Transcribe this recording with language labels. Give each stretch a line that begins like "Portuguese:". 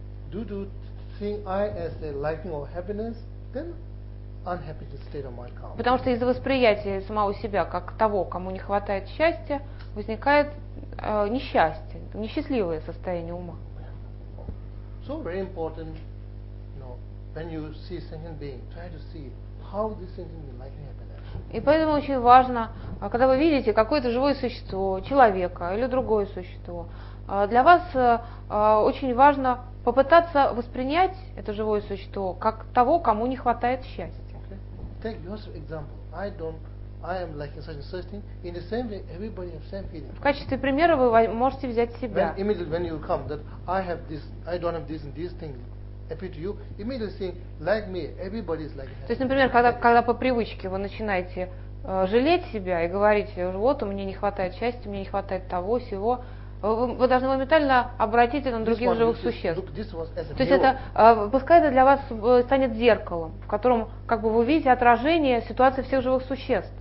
English: Do you think I as a lacking of happiness, then unhappy state of mind comes?
Russian: Потому что из-за восприятия самого себя как того, кому не хватает счастья, возникает несчастье, несчастливое состояние ума.
English: So very important, you know, when you see sentient being, try to see how this sentient being like happiness.
Russian: И поэтому очень важно, когда вы видите какое-то живое существо, человека или другое существо, для вас очень важно попытаться воспринять это живое существо как того, кому не хватает счастья.
English: Okay. Take yourself example. I am lacking such and such thing. In the same way, everybody has same feeling.
Russian: В качестве примера вы можете взять себя.
English: When immediately when you come, that I have this, I don't have this and this thing, appear to you. Immediately saying, like me, everybody is like.
Russian: То есть, например, когда по привычке вы начинаете жалеть себя и говорите, вот у меня не хватает счастья, мне не хватает того сего, вы должны моментально обратить это на других живых существ. То есть это, пускай это для вас станет зеркалом, в котором как бы вы видите отражение ситуации всех живых существ.